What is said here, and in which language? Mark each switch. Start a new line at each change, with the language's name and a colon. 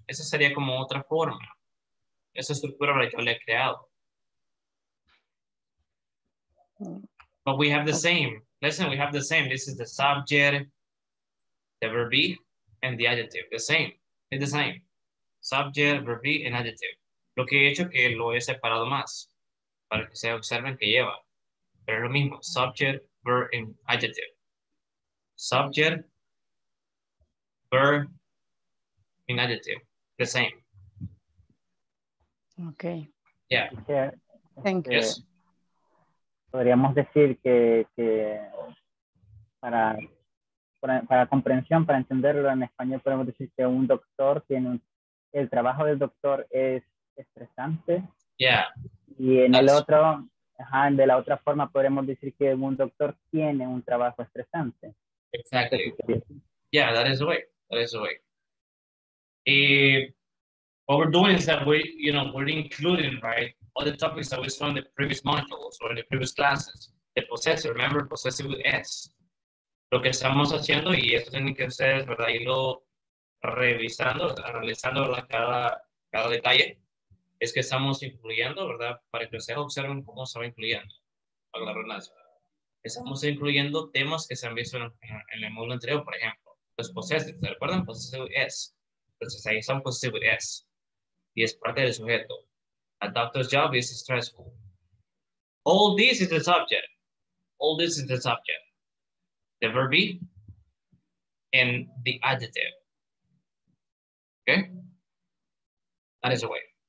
Spanish: Esa sería como otra forma. Esa estructura que yo le he creado.
English: But we have the same.
Spanish: Listen, we have the same.
English: This is the subject, the verb be, and the adjective. The same. It's the same. Subject, verb be, and adjective.
Spanish: Lo que he hecho que lo he separado más para que se observen que lleva. Pero es lo mismo.
English: Subject, verb, and adjective. Subject, verb, and adjective. The same. Okay. Yeah. Yeah. Thank you. Yes.
Spanish: Podríamos decir que para comprensión, para entenderlo en español, podemos decir que un doctor tiene el trabajo del doctor es estresante.
English: Yeah.
Spanish: Y en el otro, ajá, de la otra forma, podríamos decir que un doctor tiene un trabajo estresante.
English: Exactly. Yeah, that is the way. That is the way. What we're doing is that we're including, right, all the topics that we saw in the previous modules or in the previous classes. The possessive, remember, possessive with S.
Spanish: Lo que estamos haciendo, y esto tienen que ustedes, ¿verdad?, irlo revisando, analizando, ¿verdad?, cada detalle, es que estamos incluyendo, ¿verdad?, para que ustedes observen cómo se va incluyendo. Estamos incluyendo temas que se han visto en el módulo anterior, por ejemplo, los possessive, ¿se recuerdan?
English: Possessive with S.
Spanish: Entonces ahí son possessive with S. Y es parte del sujeto.
English: A doctor's job is stressful. All this is the subject. all this is the subject, the verb be, and the adjective. Okay? That is the way.